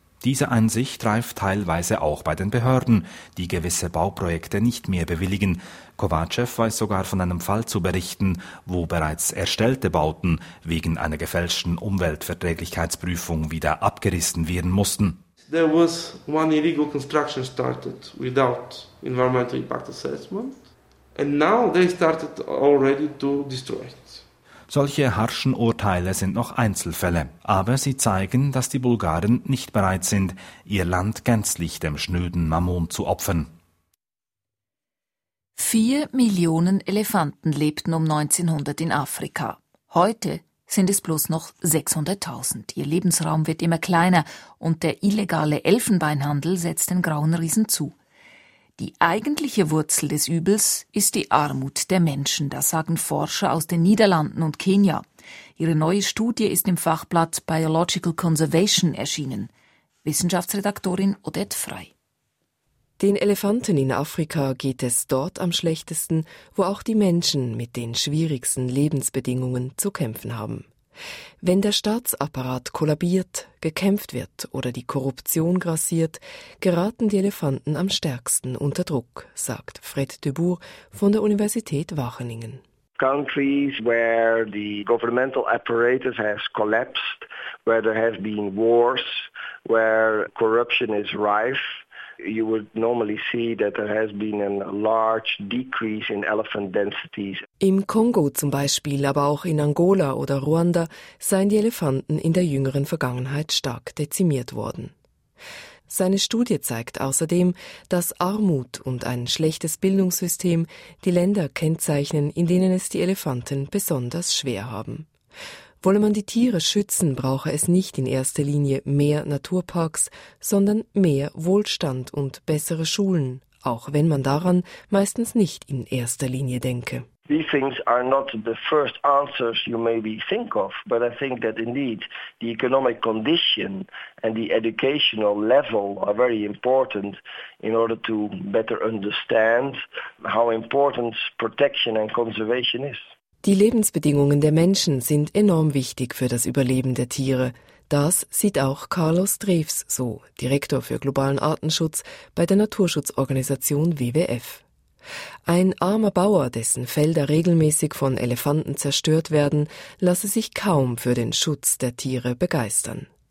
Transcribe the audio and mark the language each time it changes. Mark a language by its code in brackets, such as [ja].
[de] Diese Einsicht reift teilweise auch bei den Behörden, die gewisse Bauprojekte nicht mehr bewilligen. Kovacev weiß sogar von einem Fall zu berichten, wo bereits erstellte Bauten wegen einer gefälschten Umweltverträglichkeitsprüfung wieder abgerissen werden mussten. [en] There was one illegal construction started without environmental impact assessment, and now they started already to destroy it. [de] Solche harschen Urteile sind noch Einzelfälle, aber sie zeigen, dass die Bulgaren nicht bereit sind, ihr Land gänzlich dem schnöden Mammon zu opfern. 4 Millionen Elefanten lebten um 1900 in Afrika. Heute sind es bloß noch 600.000. Ihr Lebensraum wird immer kleiner und der illegale Elfenbeinhandel setzt den grauen Riesen zu. Die eigentliche Wurzel des Übels ist die Armut der Menschen, das sagen Forscher aus den Niederlanden und Kenia. Ihre neue Studie ist im Fachblatt Biological Conservation erschienen. Wissenschaftsredaktorin Odette Frey. Den Elefanten in Afrika geht es dort am schlechtesten, wo auch die Menschen mit den schwierigsten Lebensbedingungen zu kämpfen haben. Wenn der Staatsapparat kollabiert, gekämpft wird oder die Korruption grassiert, geraten die Elefanten am stärksten unter Druck, sagt Fred de Boer von der Universität Wageningen. [en] Countries where the governmental apparatus has collapsed, where there have been wars, where corruption is rife, you would normally see that there has been a large decrease in elephant densities. [de] Im Kongo zum Beispiel, aber auch in Angola oder Ruanda, seien die Elefanten in der jüngeren Vergangenheit stark dezimiert worden. Seine Studie zeigt außerdem, dass Armut und ein schlechtes Bildungssystem die Länder kennzeichnen, in denen es die Elefanten besonders schwer haben. Wolle man die Tiere schützen, brauche es nicht in erster Linie mehr Naturparks, sondern mehr Wohlstand und bessere Schulen, auch wenn man daran meistens nicht in erster Linie denke. [en] These things are not the first answers you maybe think of, but I think that indeed the economic condition and the educational level are very important in order to better understand how important protection and conservation is. [de] Die Lebensbedingungen der Menschen sind enorm wichtig für das Überleben der Tiere. Das sieht auch Carlos Dreves so, Direktor für globalen Artenschutz bei der Naturschutzorganisation WWF. Ein armer Bauer, dessen Felder regelmäßig von Elefanten zerstört werden, lasse sich kaum für den Schutz der Tiere begeistern.